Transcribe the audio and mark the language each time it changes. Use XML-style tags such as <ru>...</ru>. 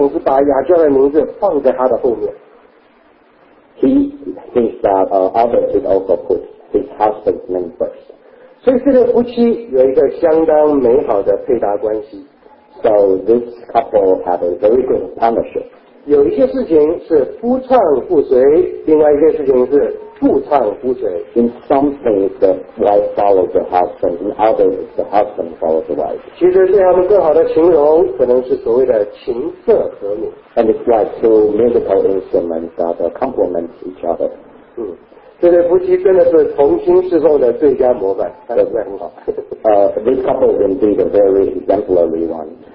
<zh>他并不认为别人都应该总是把亚居拉的名字放在他的后面。</zh> <en>He thinks that others should also put his husband's name first.</en> <zh>所以这个夫妻有一个相当美好的配搭关系。</zh> <en>So this couple had a very good partnership.</en> <zh>有一些事情是夫唱妇随，另外一些事情是妇唱夫随。</zh> <en>In some things the wife follows the husband, in others the husband follows the wife.</en> <zh>其实对他们更好的形容可能是所谓的琴瑟和鸣。</zh> <en>And it's like two musical instruments that complement each other.</en> <zh>这对夫妻真的是同心侍奉的最佳模范。</zh> <en>This couple is indeed a very exemplary one.</en>